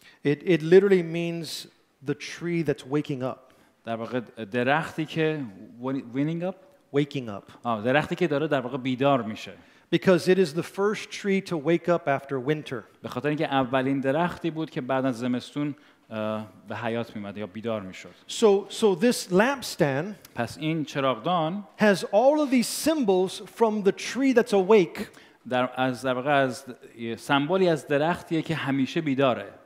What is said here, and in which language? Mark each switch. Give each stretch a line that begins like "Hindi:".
English: It literally means the tree that's waking up.
Persian: در واقع درختی که
English: waking up. Waking up.
Persian: آه، درختی که داره در واقع بیدار میشه.
English: Because it is the first tree to wake up after winter.
Persian: به خاطر اینکه اولین درختی بود که بعد از زمستون به حیات میومد یا بیدار میشد.
English: So this lampstand.
Persian: پس این چراغدان.
English: Has all of these symbols from the tree that's awake.
Persian: در واقع از سمبولی از درختیه که همیشه بیداره.